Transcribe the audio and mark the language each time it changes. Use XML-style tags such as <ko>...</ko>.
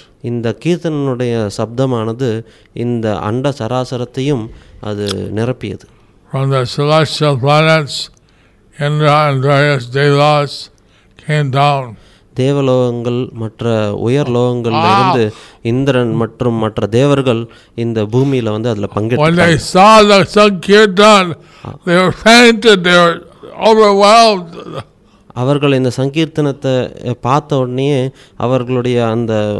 <ta>இந்த கீர்த்தனுடைய சப்தமானது இந்த அண்ட சராசரத்தையும் அது நிரப்பியது.</ta> <en>From the celestial planets, Indra and various devas came down.</en> <ta>தேவலோகங்கள் மற்ற உயர் லோகங்களிலிருந்து இந்திரன் மற்றும் மற்ற தேவர்கள் இந்த பூமியில வந்து அதுல பங்கெடுத்தார்கள். அவர்கள் இந்த சங்கீர்த்தனத்தை பார்த்த உடனே அவர்களுடைய அந்த</ta>